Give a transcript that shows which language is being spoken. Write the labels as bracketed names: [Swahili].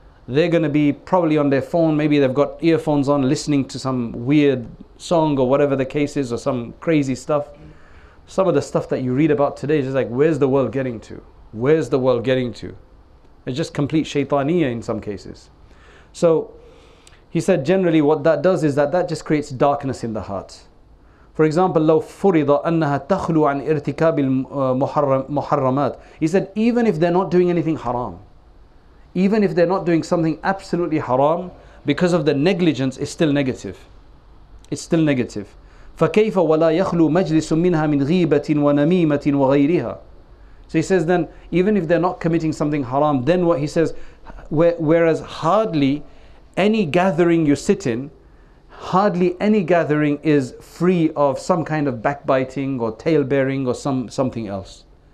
[English] They're going to be probably on their phone. Maybe they've got earphones on listening to some weird song or whatever the case is, or some crazy stuff. Some of the stuff that you read about today is just like, where's the world getting to? Where's the world getting to? It's just complete shaitaniyah in some cases. So he said, generally what that does is that just creates darkness in the heart. For example, [Arabic] لو فرض أنها تخلو عن ارتكاب المحرمات. [English] He said, even if they're not doing anything haram, even if they're not doing something absolutely haram, because of the negligence, it's still negative. It's still negative. [Arabic] فَكَيْفَ وَلَا يَخْلُو مَجْلِسٌ مِّنْهَا مِنْ غِيبَةٍ وَنَمِيمَةٍ وَغَيْرِهَا. [English] So he says then, even if they're not committing something haram, then what he says, whereas hardly any gathering you sit in, hardly any gathering is free of some kind of backbiting or tail-bearing or something else.